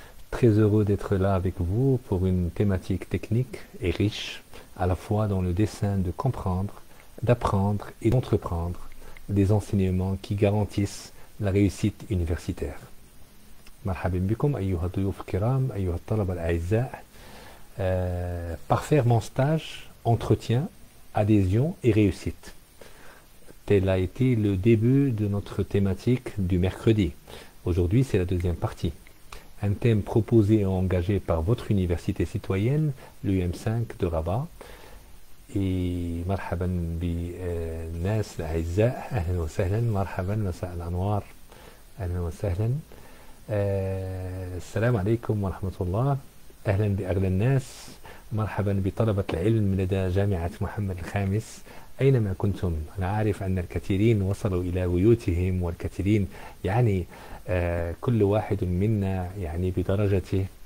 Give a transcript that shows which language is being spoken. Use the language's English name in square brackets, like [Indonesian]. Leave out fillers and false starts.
[French] Très heureux d'être là avec vous pour une thématique technique et riche, à la fois dans le dessein de comprendre, d'apprendre et d'entreprendre des enseignements qui garantissent la réussite universitaire. [Arabic] مرحبا بكم أيها الضيوف الكرام أيها الطلبة الأعزاء. [French] Parfaire mon stage, entretien, adhésion et réussite. Tel a été le début de notre thématique du mercredi. Aujourd'hui, c'est la deuxième partie. Un thème proposé et engagé par votre université citoyenne, l'UM5 de Rabat. [Arabic] Et مرحبا بالناس الأعزاء أهلا وسهلا مرحبا مساء الأنوار أهلا وسهلا. السلام عليكم ورحمة الله أهلا بأغلى الناس مرحبا بطلبة العلم لدى جامعة محمد الخامس أينما كنتم أنا عارف أن الكثيرين وصلوا إلى بيوتهم والكثيرين يعني كل واحد منا يعني بدرجته